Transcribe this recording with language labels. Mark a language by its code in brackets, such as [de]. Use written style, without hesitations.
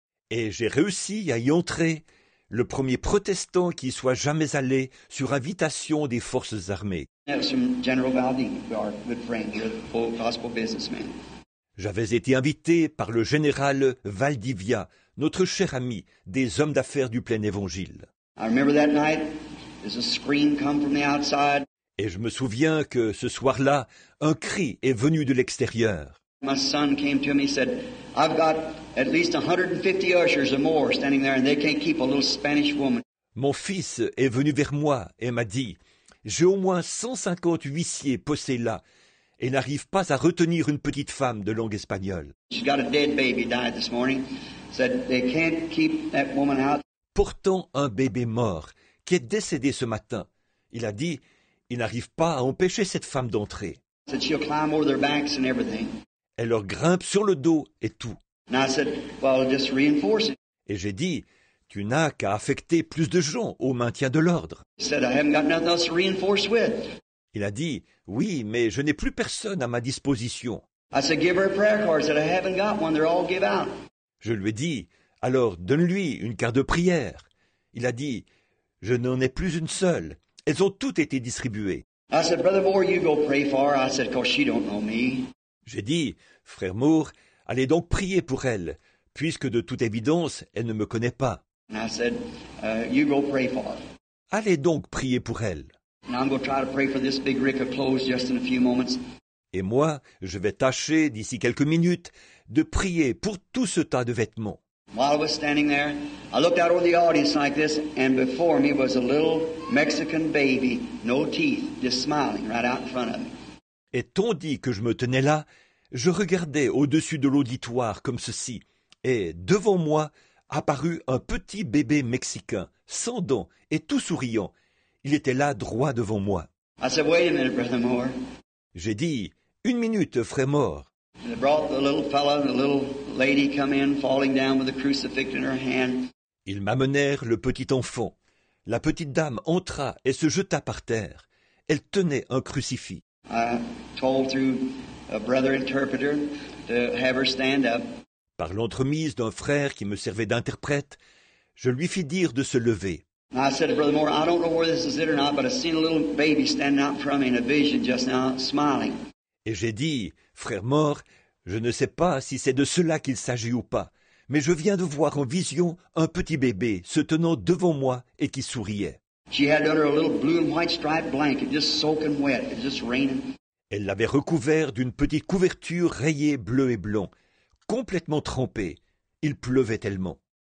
[fr] Et j'ai réussi à y entrer, le premier protestant qui soit jamais allé sur invitation des forces armées. [en] That was from General Valdez, our good friend, the full gospel businessman. [fr] J'avais été invité par le général Valdivia, notre cher ami, des hommes d'affaires du plein évangile. [en] I remember that night, there's a scream come from the outside. [fr] Et je me souviens que ce soir-là, un cri est venu de l'extérieur. [en] My son came to me and said, I've got at least 150 ushers or more standing there and they can't keep a little Spanish woman. [fr] Mon fils est venu vers moi et m'a dit, j'ai au moins 150 huissiers postés là et n'arrive pas à retenir une petite femme de langue espagnole. [en] She's got a dead baby died this morning. Said they can't keep that woman out. [fr] Portant un bébé mort qui est décédé ce matin. Il a dit, il n'arrive pas à empêcher cette femme d'entrer. [en] Said she'll climb over their backs and everything. [fr] Elle leur grimpe sur le dos et tout. [en] And I said, well, I'll just reinforce it. [fr] Et j'ai dit, tu n'as qu'à affecter plus de gens au maintien de l'ordre. [en] Said, I haven't got nothing else to reinforce with. [fr] Il a dit, oui, mais je n'ai plus personne à ma disposition. [en] I said, give her a prayer card. I said, I haven't got one. They're all give out. [fr] Je lui ai dit, alors donne-lui une carte de prière. Il a dit, je n'en ai plus une seule. Elles ont toutes été distribuées. [en] I said, Brother Moore, you go pray for her. I said, 'cause she don't know me. [fr] J'ai dit, frère Moore, allez donc prier pour elle, puisque de toute évidence, elle ne me connaît pas. [en] And I said, you go pray for her. [fr] Allez donc prier pour elle. [en] And I'm gonna try to pray for this big rick of clothes just in a few moments. [fr] Et moi, je vais tâcher, d'ici quelques minutes, de prier pour tout ce tas de vêtements. [en] While I was standing there, I looked out over the audience like this, and before me was a little Mexican baby, no teeth, just smiling right out in front of me. [fr] Et tandis que je me tenais là, je regardais au-dessus de l'auditoire comme ceci, et devant moi apparut un petit bébé mexicain, sans dents et tout souriant. Il était là droit devant moi. [en] I said, wait a minute, Brother Moore. [fr] J'ai dit, une minute, frère Moore. [en] They brought the little fellow and the little lady come in, falling down with the crucifix in her hand. [fr] Ils m'amenèrent le petit enfant. La petite dame entra et se jeta par terre. Elle tenait un crucifix. [en] I told through a brother interpreter to have her stand up. [fr] Par l'entremise d'un frère qui me servait d'interprète, je lui fis dire de se lever. [en] I said, Brother Moore, I don't know where this is it or not, but I seen a little baby standing out in front of me in a vision just now, smiling. [fr] Et j'ai dit, frère Moore, je ne sais pas si c'est de cela qu'il s'agit ou pas, mais je viens de voir en vision un petit bébé se tenant devant moi et qui souriait. [en] She had under a little blue and white striped blanket, just soaking wet, just raining. [fr] Elle l'avait recouvert d'une petite couverture rayée bleu et blanc, complètement trempée. Il pleuvait tellement.